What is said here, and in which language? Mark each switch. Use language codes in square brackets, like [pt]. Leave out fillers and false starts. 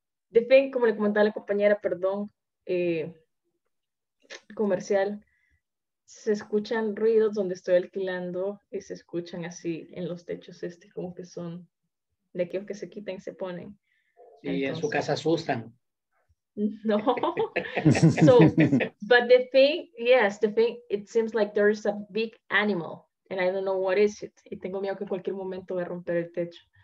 [es] De fin, como le comentaba la compañera, perdón, comercial, se escuchan ruidos donde estoy alquilando y se escuchan así en los techos este, como que son de aquellos que se quitan y se ponen. Y entonces, en su casa asustan. No. [en] So, but the thing, yes, the thing, it seems like there is a big animal and I don't know what is it. [es] Y tengo miedo que en cualquier momento va a romper el techo.